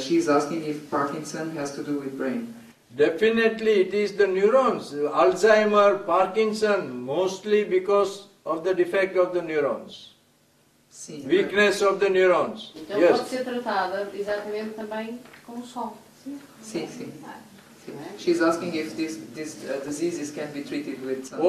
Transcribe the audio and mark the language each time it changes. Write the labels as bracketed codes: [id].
[en] She's asking if Parkinson has to do with brain. Definitely, it is the neurons. Alzheimer, Parkinson, mostly because of the defect of the neurons. [pt] Sim. [en] Weakness of the neurons. [pt] Então, [en] yes. [pt] Pode ser tratada exatamente também com o sol. Sim. [en] She's asking if these diseases can be treated with something.